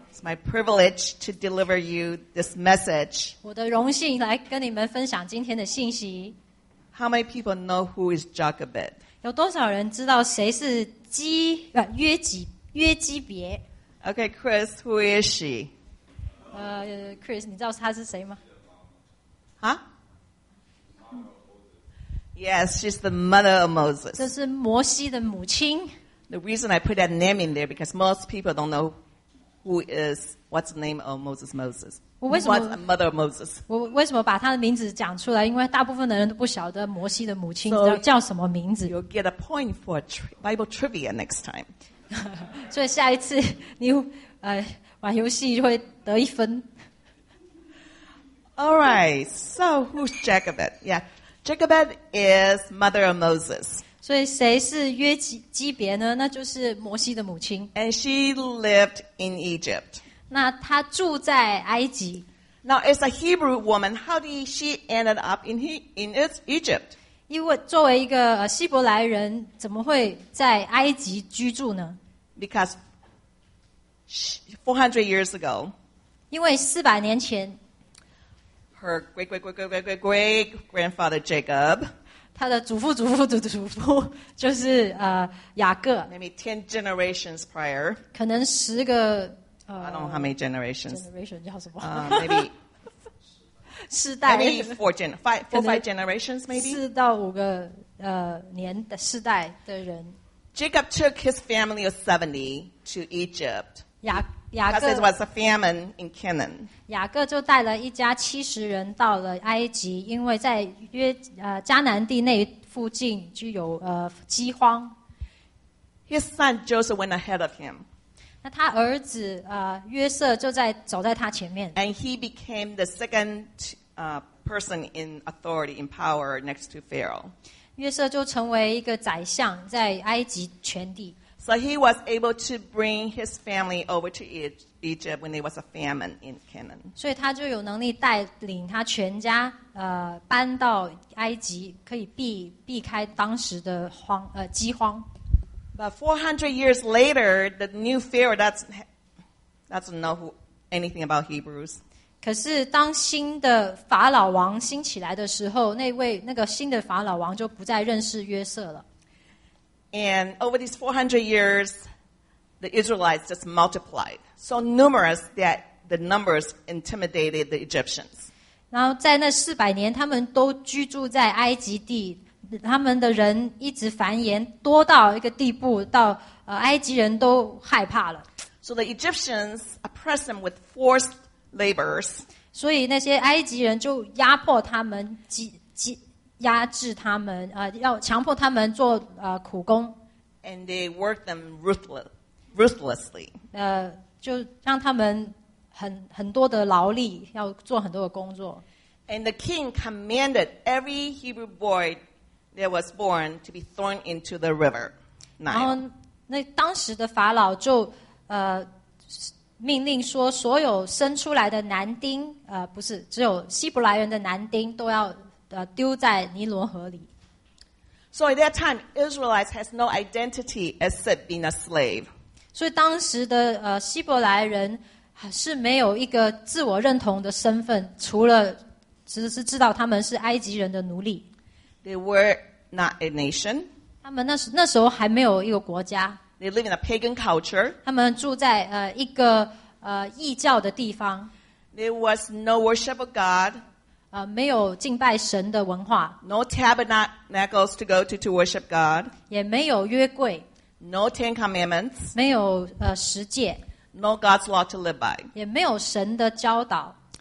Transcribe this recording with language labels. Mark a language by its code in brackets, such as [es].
[en] It's my privilege to deliver you this message. [zh] 我的荣幸来跟你们分享今天的信息。 [en] How many people know who is Jochebed? [zh] 有多少人知道谁是基约基约基别 [en] ？Okay, Chris, who is she? [zh] Chris, 你知道她是谁吗？啊、huh? [en] ？Yes, she's the mother of Moses. [zh] 这是摩西的母亲。 [en] The reason I put that name in there because most people don't know who is what's the name of Moses. What's the mother of Moses? [zh] 我为什么把他的名字讲出来？因为大部分的人都不晓得摩西的母亲叫什么名字。 [en] So you'll get a point for Bible trivia next time. [zh] 所以下一次你玩游戏会得一分。 [en] All right. So who's Jochebed? Yeah, Jochebed is mother of Moses. [zh] 所以谁是约基别呢？那就是摩西的母亲。 [en] And she lived in Egypt. [zh] 那她住在埃及。 [en] Now, as a Hebrew woman, how did she end up in Egypt? [zh] 因为作为一个希伯来人，怎么会在埃及居住呢 [en] ？Because 400 years ago. [zh] 因为四百年前 [en] ，her great great great great great great great grandfather Jacob. [zh] 他的祖父祖父祖祖父就是雅各 [en] Maybe 10 generations prior [zh] 可能十个 [en] I don't know how many generations Maybe [zh] 世代 [en] Maybe four or five generations maybe [zh] 四到五个年的世代的人 [en] Jacob took his family of 70 to Egypt [zh] 雅各 [en] Because it was a famine in Canaan [zh] 雅各就带了一家七十人到了埃及因为在迦南地那附近就有饥荒 [en] His son Joseph went ahead of him [zh] 那他儿子约瑟就在走在他前面 [en] And he became the second person in authority, in power next to Pharaoh [zh] 约瑟就成为一个宰相在埃及全地 [en] So he was able to bring his family over to Egypt when there was a famine in Canaan. [zh] 所以他就有能力带领他全家搬到埃及，可以避开当时的饥荒。 [en] But 400 years later, the new Pharaoh doesn't know anything about Hebrews. [zh] 可是当新的法老王兴起来的时候，那个新的法老王就不再认识约瑟了。 [en] And over these 400 years, the Israelites just multiplied so numerous that the numbers intimidated the Egyptians. [zh] 然后在那四百年，他们都居住在埃及地，他们的人一直繁衍多到一个地步，到埃及人都害怕了。 [en] So the Egyptians oppressed them with forced labors. [zh] 所以那些埃及人就压迫他们，压制他们，要强迫他们做苦工。 [en] And they worked them ruthlessly. [zh] 就让他们很多的劳力，要做很多的工作。 [en] And the king commanded every Hebrew boy that was born to be thrown into the river. [zh] 然后那当时的法老就命令说，所有生出来的男丁，不是只有希伯来人的男丁都要。丢在尼罗河里。 [en] So at that time, Israelites has no identity except being a slave. [zh] 所以当时的希伯来人是没有一个自我认同的身份，除了只是知道他们是埃及人的奴隶。 [en] They were not a nation. [zh] 他们那时候还没有一个国家。 [en] They live in a pagan culture. [zh] 他们住在一个异教的地方。 [en] There was no worship of God. [zh] 没有敬拜神的文化。 [en] No tabernacles to go to worship God. [zh] 也没有约柜。 [en] No Ten Commandments. [zh] 没有十诫。 [en] No God's law to live by. [zh] 也没有神的教导。